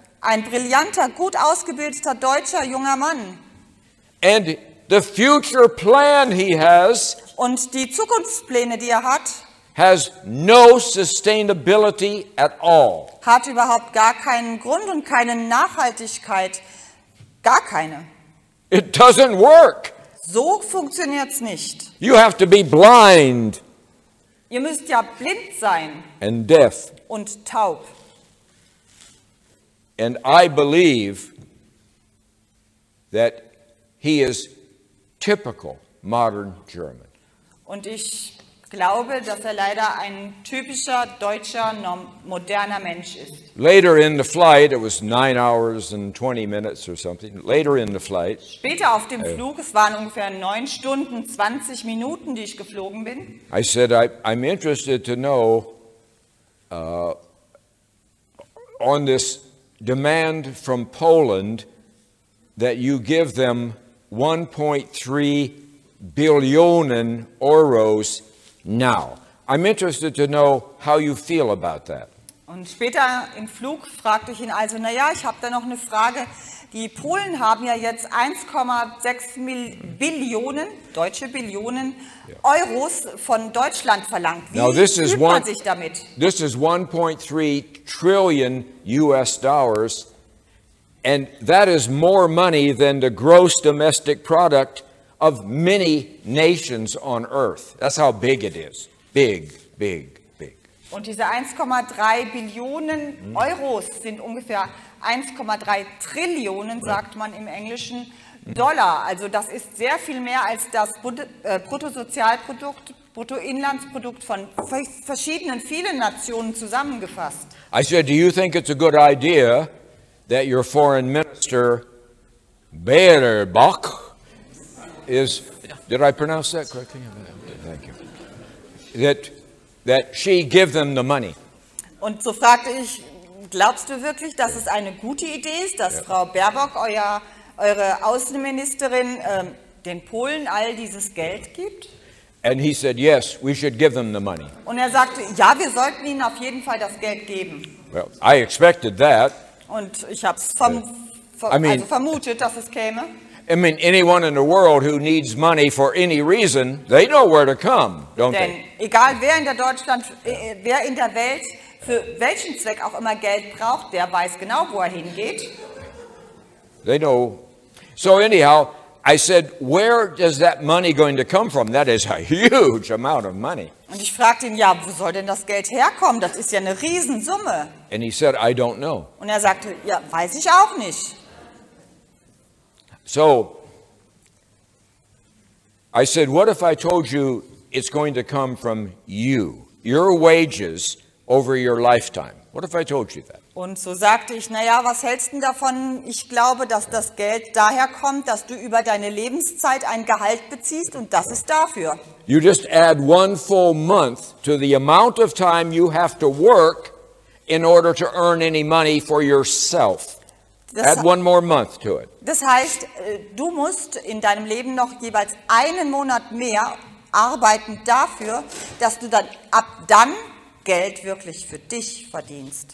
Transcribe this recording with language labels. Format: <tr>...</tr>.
<de>ein brillanter, gut ausgebildeter deutscher junger Mann,</de> <en>and the future plan he has,</en> <de>und die Zukunftspläne, die er hat,</de> <en>has no sustainability at all.</en> <de>Hat überhaupt gar keinen Grund und keine Nachhaltigkeit. Gar keine.</de> <en>It doesn't work.</en> <de>So funktioniert's nicht.</de> <en>You have to be blind.</en> <de>Ihr müsst ja blind sein.</de> <en>And deaf.</en> <de>Und taub.</de> <en>And I believe that he is typical modern German.</en> <de>Und ich glaube, dass er leider ein typischer deutscher moderner Mensch ist.</de> <en>Later in the flight, it was 9 hours and 20 minutes or something. Later in the flight.</en> <de>Später auf dem Flug, es waren ungefähr 9 Stunden 20 Minuten, die ich geflogen bin.</de> <en>I said, I'm interested to know on this demand from Poland that you give them 1.3 billion euros. Now, I'm interested to know how you feel about that.</en> <de>Und später im Flug fragte ich ihn also, na ja, ich habe da noch eine Frage. Die Polen haben ja jetzt 1,6 Billionen, deutsche Billionen, yeah, Euros von Deutschland verlangt. Wie fühlt man sich damit?</de> <en>This is 1.3 trillion US dollars, and that is more money than the gross domestic product of many nations on earth. That's how big it is. Big, big, big.</en> <de>Und diese 1,3 Billionen Euros sind ungefähr 1,3 Trillionen, sagt man im Englischen, Dollar. Also das ist sehr viel mehr als das Bruttosozialprodukt, Bruttoinlandsprodukt von verschiedenen, vielen Nationen zusammengefasst.</de> <en>I said, do you think it's a good idea that your foreign minister, Baerbock, did I pronounce that correctly? Thank you. That she give them the money.</en> <de>Und so fragte ich, glaubst du wirklich, dass es eine gute Idee ist, dass, yeah, Frau Baerbock, eure Außenministerin, den Polen all dieses Geld gibt?</de> <en>And he said, yes, we should give them the money.</en> <de>Und er sagte, ja, wir sollten ihnen auf jeden Fall das Geld geben.</de> <en>Well, I expected that.</en> <de>Und ich habe es vermutet, dass es käme.</de> <en>I mean, anyone in the world who needs money for any reason, they know where to come, don't they?</en> <de>Denn egal wer in der Deutschland, wer in der Welt für welchen Zweck auch immer Geld braucht, der weiß genau, wo er hingeht.</de> <en>They know. So anyhow, I said, where is that money going to come from? That is a huge amount of money.</en> <de>Und ich fragte ihn, ja, wo soll denn das Geld herkommen? Das ist ja eine Riesensumme.</de> <en>And he said, I don't know.</en> <de>Und er sagte, ja, weiß ich auch nicht.</de> <en>So, I said, what if I told you it's going to come from you, your wages over your lifetime? What if I told you that?</en> <de>Und so sagte ich, naja, was hältst du davon? Ich glaube, dass das Geld daher kommt, dass du über deine Lebenszeit ein Gehalt beziehst, und das ist dafür.</de> <en>You just add one full month to the amount of time you have to work in order to earn any money for yourself. Add one more month to it.</en> <de>Das heißt, du musst in deinem Leben noch jeweils einen Monat mehr arbeiten dafür, dass du dann ab dann Geld wirklich für dich verdienst.</de>